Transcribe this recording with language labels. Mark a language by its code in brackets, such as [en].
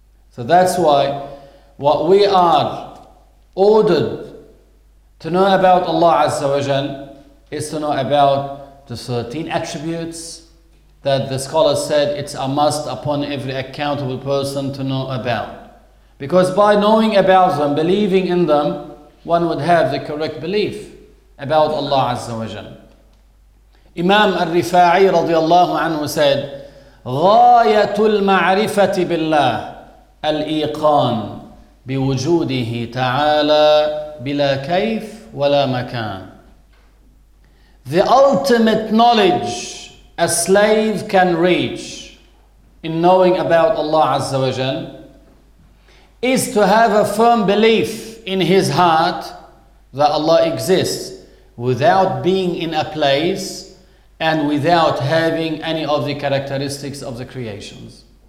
[en] So that's why what we are ordered to know about Allah Azza wa Jal is to know about the 13 attributes that the scholars said it's a must upon every accountable person to know about. Because by knowing about them, believing in them, one would have the correct belief about Allah Azza wa Jal. Imam al-Rifa'i radiallahu anhu said, [ar] غَايَةُ الْمَعْرِفَةِ بِاللَّهِ الْإِيقَانِ بِوُجُودِهِ تَعَالَى بِلَا كَيْفِ وَلَا مَكَانٍ. [en] The ultimate knowledge a slave can reach in knowing about Allah Azza wa Jal is to have a firm belief in his heart that Allah exists without being in a place and without having any of the characteristics of the creations.